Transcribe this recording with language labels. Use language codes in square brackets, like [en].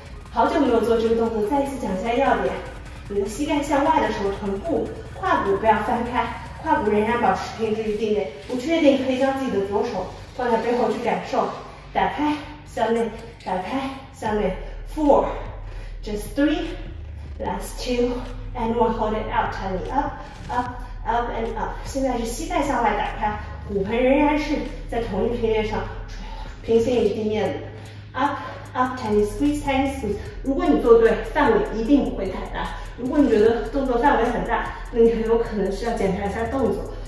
[zh] 好久没有做这个动作，再一次讲一下要点。你的膝盖向外的时候，臀部、胯骨不要翻开，胯骨仍然保持平直于地面。不确定可以将自己的左手放在背后去感受，打开向内，打开向内。 [en] Four, just three, last two, and one. Hold it out, tummy up, up, up and up. [zh] 现在是膝盖向外打开，骨盆仍然是在同一平面上，平行于地面的。 [en] Up. Up, tiny squeeze, tiny squeeze. [zh] 如果你做对，范围一定不会太大。如果你觉得动作范围很大，那你很有可能需要检查一下动作。